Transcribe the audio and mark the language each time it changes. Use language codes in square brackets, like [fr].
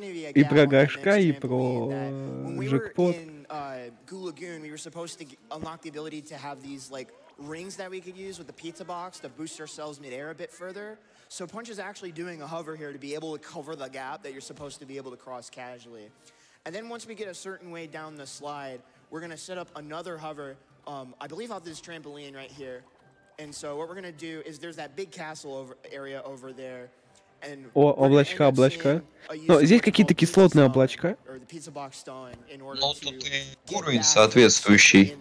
[ru] И про горшка, и про джекпот. [en] Goo Lagoon, we were supposed to unlock the ability to have these like rings that we could use with the pizza box to boost ourselves midair a bit further. So Punch is actually doing a hover here to be able to cover the gap that you're supposed to be able to cross casually. And then once we get a certain way down the slide, we're gonna set up another hover, I believe off this trampoline right here. And so what we're gonna do is there's that big castle area over there. [ru] О, облачка. Но здесь какие-то кислотные облачка. Но тут и уровень соответствующий.